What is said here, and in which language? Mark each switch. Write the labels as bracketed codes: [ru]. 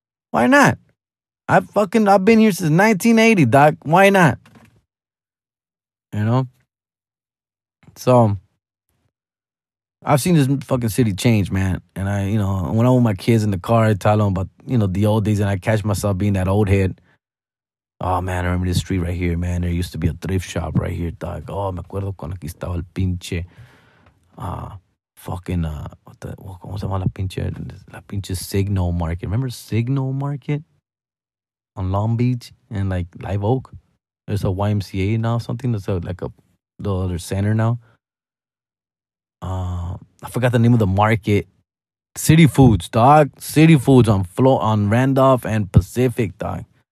[en] Why not? I've been here since 1980, doc. Why not? You know? So, I've seen this fucking city change, man. And I, you know, when I'm with my kids in the car, I tell them about, you know, the old days, and I catch myself being that old head. Oh, man, I remember this street right here, man. There used to be a thrift shop right here, dog. [es] Oh, me acuerdo cuando aquí estaba el pinche, ¿cómo se llama la pinche Signal Market? [en] Remember Signal Market on Long Beach and, like, Live Oak? There's a YMCA now, something that's like a the other center now. I forgot the name of the market. City Foods, dog. City Foods on Randolph and Pacific, dog.